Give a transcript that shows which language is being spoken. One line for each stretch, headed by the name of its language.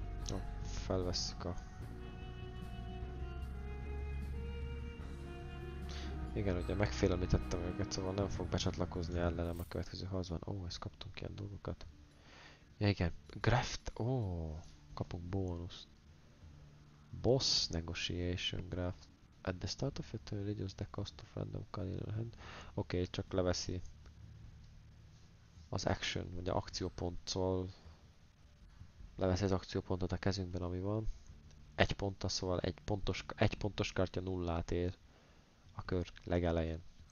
Hungarian: Jó, felvesszük a... Igen, ugye megfélemlítettem őket, szóval nem fog becsatlakozni ellenem a következő harcban. Ó, ezt kaptunk ilyen dolgokat. Ja igen, Graft, ó. Kapok bónuszt.
English: Boss negotiation graph. At the start of your turn, reduce the cost of random card in your hand.
Hungarian: Oké, okay, csak leveszi az action, vagy a akcióponttól. Leveszi az akciópontot a kezünkben, ami van. Egy ponta, szóval egy pontos kártya nullát ér a kör legelején.